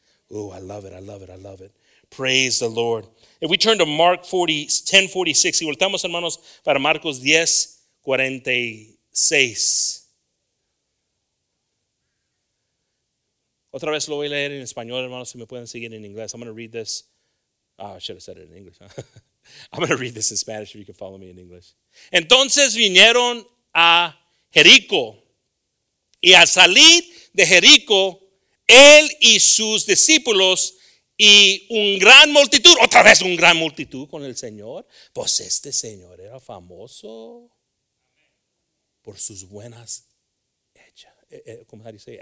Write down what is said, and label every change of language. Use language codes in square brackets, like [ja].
[en] Oh, I love it, I love it, I love it. Praise the Lord. If we turn to Mark 10:46, [es] y voltamos, hermanos, para Marcos 10:46. Otra vez lo voy a leer en español, hermanos, si me pueden seguir en inglés. [en] I'm going to read this. Oh, I should have said it in English. Huh? I'm going to read this in Spanish if you can follow me in English. [es] Entonces vinieron a Jericó, y al salir de Jericó, él y sus discípulos y un gran multitud, otra vez un gran multitud con el Señor, pues este Señor era famoso por sus buenas hechas, ¿cómo se dice?